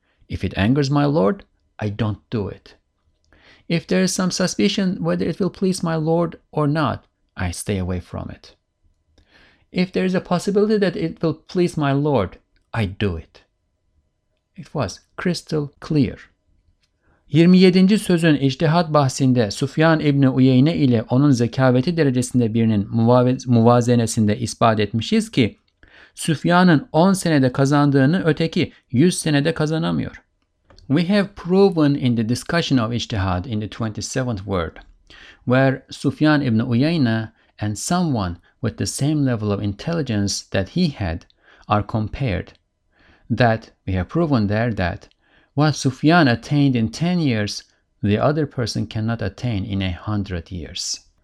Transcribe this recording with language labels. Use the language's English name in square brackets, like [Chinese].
[English] If it angers my lord, I don't do it. If there is some suspicion whether it will please my lord or not, I stay away from it. If there is a possibility that it will please my lord, I do it. It was crystal clear. 27. [Turkish] sözün içtihat bahsinde Sufyan İbni Uyeyne ile onun zekaveti derecesinde birinin muvazenesinde ispat etmişiz ki, Sufyan'ın 10 senede kazandığını öteki 100 senede kazanamıyor. [English] We have proven in the discussion of içtihat in the 27th word, where Sufyan İbni Uyeyne and someone with the same level of intelligence that he had are compared, that we have proven there that what Sufyan attained in 10 years, the other person cannot attain in 100 years.